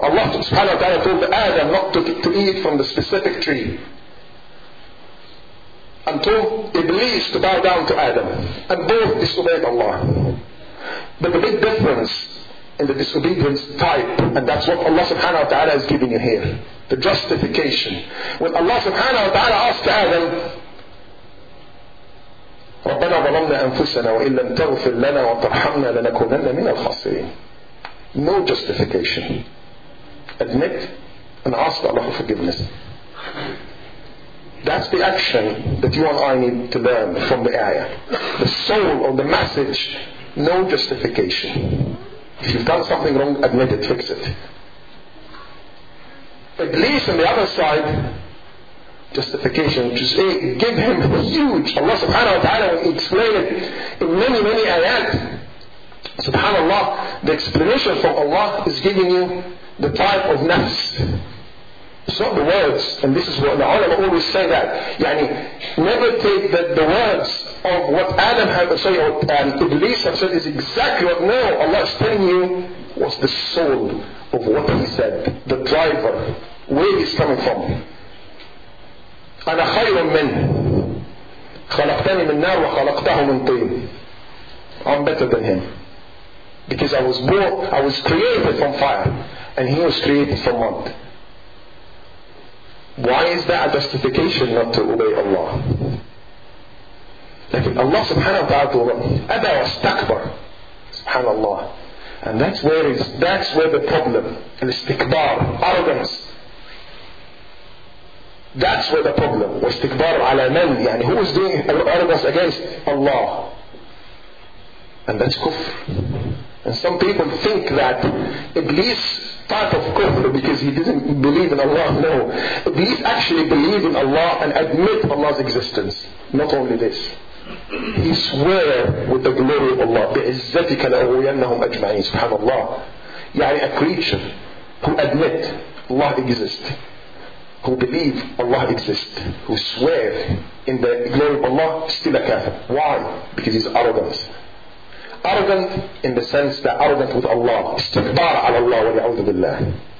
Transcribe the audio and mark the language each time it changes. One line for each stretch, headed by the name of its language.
English: Allah subhanahu wa ta'ala told Adam not to eat from the specific tree, and told Iblis to bow down to Adam. And both disobeyed Allah. But the big difference in the disobedience type, and that's what Allah subhanahu wa ta'ala is giving you here. The justification. When Allah subhanahu wa ta'ala asked Adam,
Arabic: رَبَّنَا ظَلَمْنَا أَنفُسَنَا وَإِنْ لَمْ تَغْفِرْ لَنَا وَتَرْحَمْنَا لَنَكُونَنَّ مِنَ الْخَاسِرِينَ.
English: No justification. Admit and ask Allah for forgiveness. That's the action that you and I need to learn from the ayah. The soul of the message, no justification. If you've done something wrong, admit it, fix it. At least on the other side, justification, which is give him huge. Allah subhanahu wa ta'ala explained it in many, many ayat. Subhanallah, the explanation from Allah is giving you the type of nafs. It's not the words, and this is what the ulama always say that. Yani, never take the words of what Adam had to say, and Iblis have said is exactly what. No, Allah is telling you what's the soul of what he said, the driver, where he's coming from.
Arabic: أنا خير منه، خلقتني من نار وخلقته من طين.
English: I'm better than him because I was born, I was created from fire and he was created from mud. Why is that a justification not to obey Allah?
Arabic: لكن الله سبحانه وتعالى أبى واستكبر سبحان الله.
English: And that's where the problem, الاستكبار, arrogance. That's where the problem.
Arabic: واستكبار على من؟
English: يعني who is doing arrogance against Allah? And that's kufr. And some people think that Iblis part of kufr because he didn't believe in Allah. No, Iblis actually believe in Allah and admit Allah's existence. Not only this. He swear with the glory of Allah.
Arabic: بِعِزَّتِكَ لَأُغْوِيَنَّهُمْ أَجْمَعِينَ سبحان الله.
English: يعني a creature who admit Allah exists, who believe Allah exists, who swear in the glory of Allah, still a kafir. Why? Because he's arrogant. Arrogant in the sense that arrogant with Allah.
Arabic: استكبار على الله وليعوذ بالله.